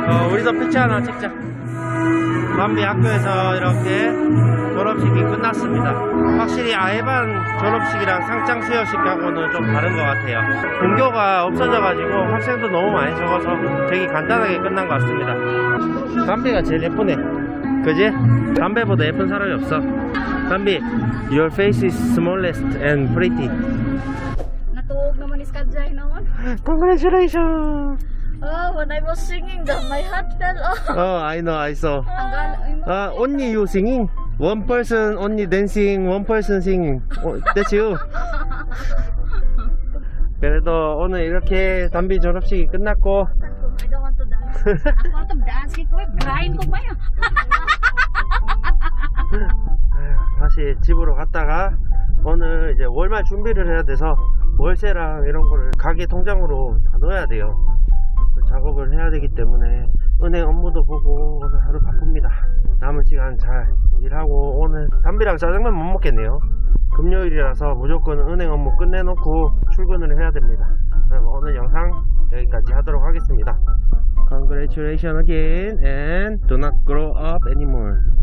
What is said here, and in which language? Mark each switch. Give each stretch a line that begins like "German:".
Korean: 우리도 피치 하나 찍자. 밤비 학교에서 이렇게 졸업식이 끝났습니다. 확실히 아예반 졸업식이랑 상장 수여식하고는 좀 다른 것 같아요. 등교가 없어져가지고 학생도 너무 많이 적어서 되게 간단하게 끝난 것 같습니다. 담비가 제일 예쁘네. 그지? 담비보다 예쁜 사람이 없어.
English: 담비, your face is smallest and pretty.
Korean: 나도 너무 니스카드 아이노.
English: Congratulations. Oh, when I was singing, my heart fell off. Oh, I know, I saw. Only you singing. One person only dancing, one person singing. That's you.
Korean: 그래도 오늘 이렇게 담비 졸업식이 끝났고.
English: I don't want to dance. I want to dance. Grind.
Korean: 다시 집으로 갔다가 오늘 이제 월말 준비를 해야 돼서 월세랑 이런 거를 가게 통장으로 다 넣어야 돼요. 작업을 해야 되기 때문에 은행 업무도 보고 오늘 하루 바쁩니다. 남은 시간 잘 일하고 오늘 담비랑 짜장면 못 먹겠네요. 금요일이라서 무조건 은행 업무 끝내놓고 출근을 해야 됩니다. 그럼 오늘 영상 여기까지 하도록 하겠습니다.
English: Congratulations again and do not grow up anymore.